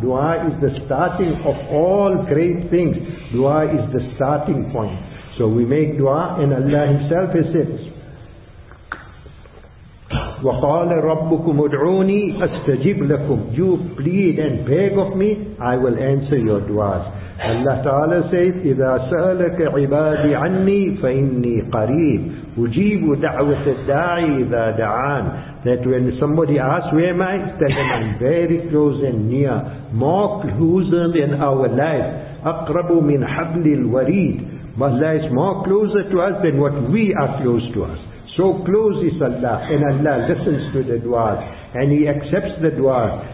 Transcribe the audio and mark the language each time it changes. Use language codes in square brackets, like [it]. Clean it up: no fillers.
[en] Dua is the starting of all great things. Dua is the starting point. So we make dua, and Allah Himself has said, [ar] وَقَالَ رَبُّكُمْ اُدْعُونِي أَسْتَجِبْ لَكُمْ. [en] You plead and beg of me, I will answer your duas. Allah Ta'ala says, [ar] إِذَا سَأَلَكَ عِبَادِي عَنِّي فَإِنِّي قَرِيبٌ أُجِيبُ دَعْوَةَ الدَّاعِي إِذَا دَعَانِ. [en] That when somebody asks, where am I? Tell them, I'm very close and near. More closer than our life. [ar] أَقْرَبُ مِنْ حَبْلِ الْوَرِيدِ. [en] Allah is more closer to us than what we are close to us. So close is Allah, and Allah listens to the du'as, and He accepts the du'as.